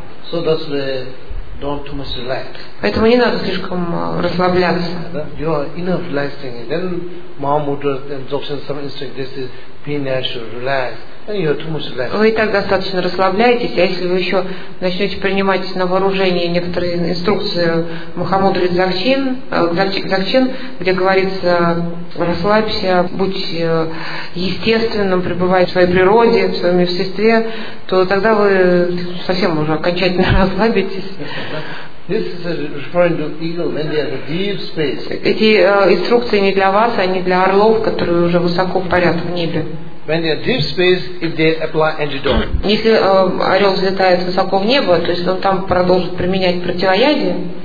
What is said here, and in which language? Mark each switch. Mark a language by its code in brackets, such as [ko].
[en] So that's the don't too much relax. [ru] Поэтому не надо слишком расслабляться. [en] You are enough relaxing, then Mahamudra and Dzogchen some instinct. This is be natural, relax. [ru] Вы и так достаточно расслабляетесь, а если вы еще начнете принимать на вооружение некоторые инструкции Махамудры Дзогчен, где говорится расслабься, будь естественным, пребывай в своей природе, в своем естестве, то тогда вы совсем уже окончательно расслабитесь. [en] This is referring to eagle when they are in deep space. [ru] Эти инструкции не для вас, а не для орлов, которые уже высоко парят в небе. [en] When they are deep space, if they apply antidote. [ru] Если орел взлетает высоко в небо, то есть он там продолжит применять противоядие.